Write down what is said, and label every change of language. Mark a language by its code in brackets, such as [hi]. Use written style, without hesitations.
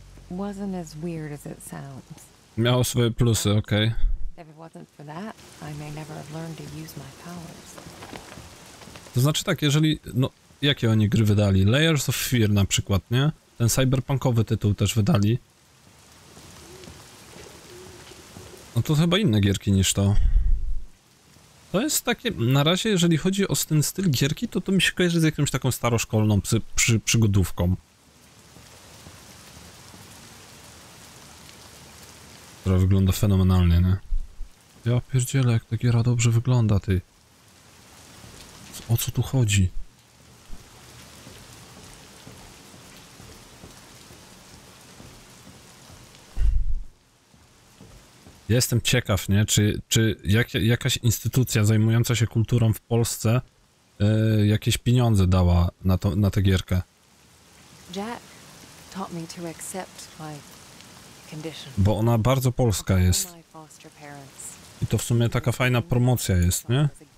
[en] Wasn't as weird as it sounds. [pl] Miało swoje plusy, okej. [en] If it wasn't for that, I may never have learned to use my powers. [pl] To znaczy tak, jeżeli... No, jakie oni gry wydali? Layers of Fear na przykład, nie? Ten cyberpunkowy tytuł też wydali. No to chyba inne gierki niż to. To jest takie... Na razie, jeżeli chodzi o ten styl gierki, to mi się kojarzy z jakąś taką staroszkolną przygodówką. Która wygląda fenomenalnie, nie? Ja pierdzielę, jak ta giera dobrze wygląda, ty. O co tu chodzi? Jestem ciekaw, nie? Czy jakaś instytucja zajmująca się kulturą w Polsce jakieś pieniądze dała na tę gierkę? [en] Jack taught me to accept my... [pl] Bo ona bardzo polska jest. I to w sumie taka fajna promocja jest, nie?